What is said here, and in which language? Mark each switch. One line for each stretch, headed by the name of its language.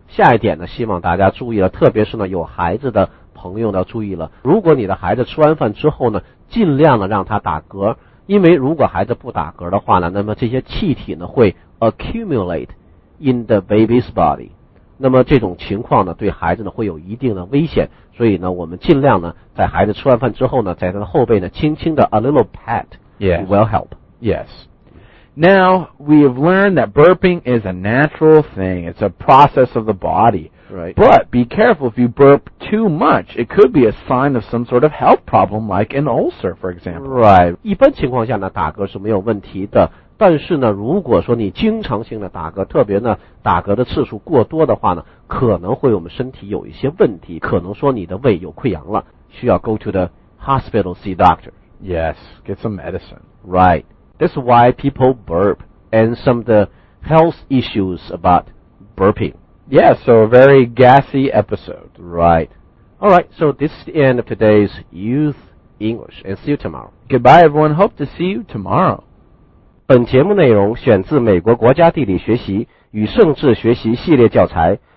Chinese: 下一点呢，希望大家注意了，特别是呢有孩子的朋友呢注意了，如果你的孩子吃完饭之后呢，尽量的让他打嗝，因为如果孩子不打嗝的话呢，那么这些气体呢会
English: accumulate in the baby's body,
Chinese: 那么这种情况呢对孩子呢会有一定的危险，所以呢我们尽量呢在孩子吃完饭之后呢，在他的后背呢轻轻的
English: a little pat、 yes. will help. Yes. Now, we have learned that burping is a natural thing. It's a process of the body. Right. But be careful if you burp too much. It could be a sign of some sort of health problem, like an ulcer, for example. Right.
Chinese: 一般情况下呢，打嗝是没有问题的。但是呢，如果说你经常性的打嗝，特别呢，打嗝的次数过多的话呢，可能会我们身体有一些问题，可能说你的胃有溃疡了，需要
English: go to the hospital, see doctor. Yes, get some medicine. Right. That's why people burp and some of the health issues about burping. Yeah, so a very gassy episode. Right. All right, so this is the end of today's Youth English. And see you tomorrow. Goodbye, everyone. Hope to see you tomorrow.
Chinese: 本节目内容选自美国国家地理学习与政治学习系列教材。